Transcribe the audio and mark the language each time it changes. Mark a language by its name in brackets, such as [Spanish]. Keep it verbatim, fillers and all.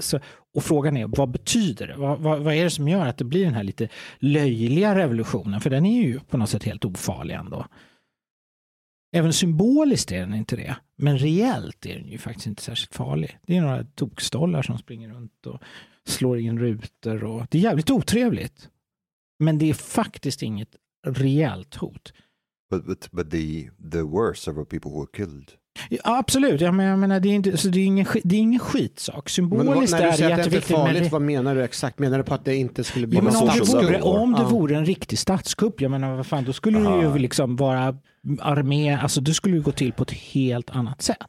[Swedish] Så, och frågan är, vad betyder det? Vad, vad, vad är det som gör att det blir den här lite löjliga revolutionen? För den är ju på något sätt helt ofarlig ändå. Även symboliskt är den inte det. Men reellt är den ju faktiskt inte särskilt farlig. Det är några tokstollar som springer runt och slår in rutor. Och, det är jävligt otrevligt. Men det är faktiskt inget reellt hot. [English] But, but, but the, the worst of the people who were killed. [Swedish] Ja, absolut, jag menar, jag menar, det är inte, så det är ingen, det är ingen skitsak. Symboliskt men, är det jätteviktigt. Farligt, men... Vad menar du exakt? Menar du på att det inte skulle bli ja, men om, det vore, om det vore en riktig statskupp, jag menar, vad fan, då skulle Aha. det ju liksom vara armé, alltså det skulle ju gå till på ett helt annat sätt.